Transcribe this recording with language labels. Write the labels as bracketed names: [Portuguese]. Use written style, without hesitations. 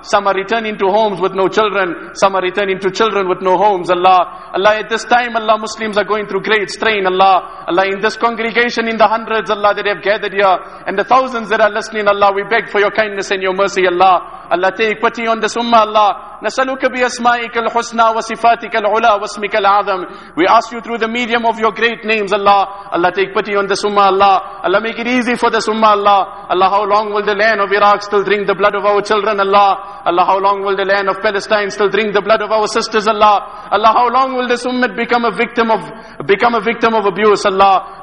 [English] Some are returning to homes with no children. Some are returning to children with no homes, Allah. Allah, at this time, Allah, Muslims are going through great strain, Allah. Allah, in this congregation, in the hundreds, Allah, that have gathered here, and the thousands that are listening, Allah, we beg for your kindness and your mercy, Allah. Allah, take pity on this ummah, Allah. [Arabic] نسألك بأسمائك الحسنى وصفاتك العلى واسمك العظم. [English] We ask you through the medium of your great names, Allah. Allah, take pity on the ummah, Allah. Allah, make it easy for the ummah, Allah. Allah, how long will the land of Iraq still drink the blood of our children, Allah? Allah, how long will the land of Palestine still drink the blood of our sisters, Allah? Allah, how long will this ummah become a victim of abuse, Allah?